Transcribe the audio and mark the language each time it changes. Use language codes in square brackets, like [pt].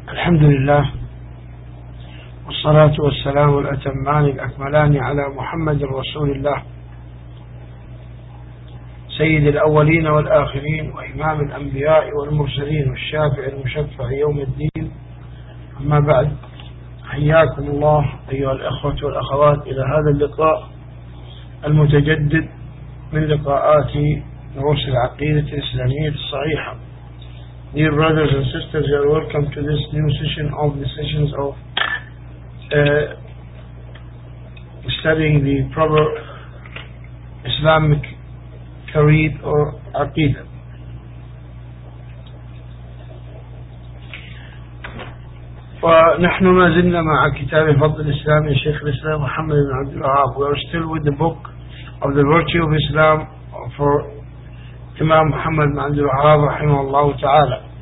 [ar] الحمد لله والصلاة والسلام الأتمان الأكملان على محمد رسول الله سيد الأولين والآخرين وإمام الأنبياء والمرسلين والشافع المشفع يوم الدين. أما بعد، حياكم الله أيها الأخوة والأخوات إلى هذا اللقاء المتجدد من لقاءات دروس العقيدة الإسلامية الصحيحة. [en] Dear brothers and sisters, you are welcome to this new session of the sessions of studying the proper Islamic Kareed or Aqeedah. [ar] فنحن ما زلنا مع كتاب فضل الإسلام الشيخ الإسلام محمد بن عبد الوهاب. [en] We are still with the book of the virtue of Islam for Imam Muhammad بن عبد الوهاب [ar] رحمه الله تعالى.